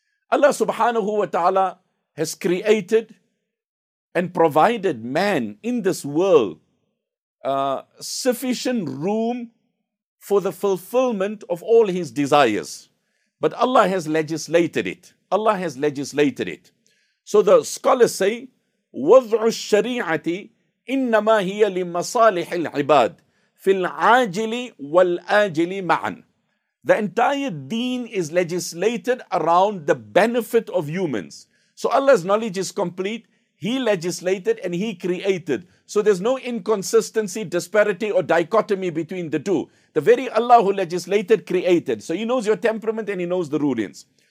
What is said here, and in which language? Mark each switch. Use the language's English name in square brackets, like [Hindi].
[English] Allah subhanahu wa ta'ala has created and provided man in this world sufficient room for the fulfillment of all his desires. But Allah has legislated it. Allah has legislated it. So the scholars say, [Arabic] وَضْعُ الشَّرِيعَةِ إِنَّمَا هِيَ لِمَصَالِحِ الْعِبَادِ فِي الْعَاجِلِ وَالْآجِلِ مَعًا. [English] The entire deen is legislated around the benefit of humans. So Allah's knowledge is complete. He legislated and He created. So there's no inconsistency, disparity or dichotomy between the two. The very Allah who legislated, created. So He knows your temperament and He knows the rulings.